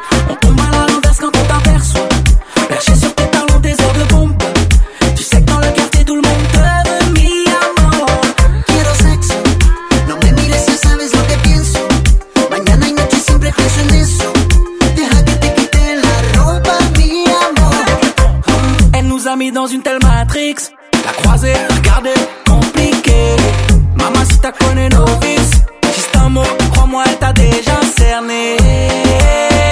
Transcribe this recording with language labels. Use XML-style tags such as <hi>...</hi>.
<fr>On tombe à la renverse quand on t'aperçoit. Lâché sur tes talons, des heures de pompe. Tu sais que dans le quartier, tout le monde te veut,</fr> <es>mi amor. Quiero sexo. No me mires, ya sabes lo que pienso. Mañana y noche siempre pienso en eso. Deja que te quite la ropa, mi amor.</es> <fr>Elle nous a mis dans une telle matrix. La croisée, regardez, compliquée. Maman, si t'as connu nos vices, juste un mot, crois-moi, elle t'a déjà cerné.</fr>